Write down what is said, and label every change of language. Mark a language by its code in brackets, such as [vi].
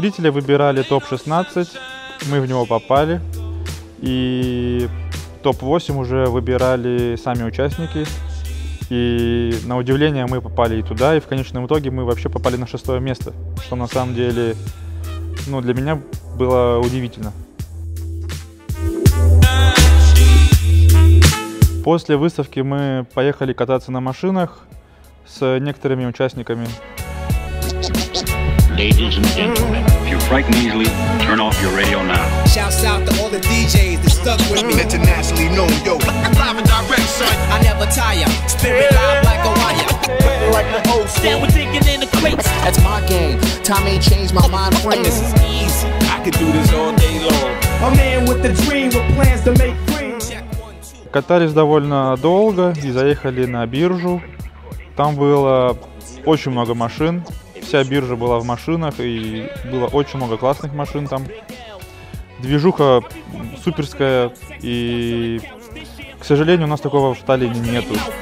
[ru] Выбирали топ-16, мы в него попали, и топ-8 уже выбирали сами участники, и на удивление мы попали и туда, и в конечном итоге мы вообще попали на 6-е место, что на самом деле, ну, для меня было удивительно. После выставки мы поехали кататься на машинах с некоторыми участниками. [en] Ladies and gentlemen, if you frighten easily, turn off your radio now. Shouts out to all the DJs that stuck with me. Internationally known, yo. Live and direct, son. I never tire. Spirit live like a wire. Yeah. Like the old school. Yeah, we're digging in the crates. That's my game. Time ain't changed my mind, friend. This is easy. I could do this all day long. A man with a dream with plans to make free. [ru] Катались довольно долго и заехали на биржу. Там было очень много машин. Вся биржа была в машинах, и было очень много классных машин там. Движуха суперская, и, к сожалению, у нас такого в Таллине нету.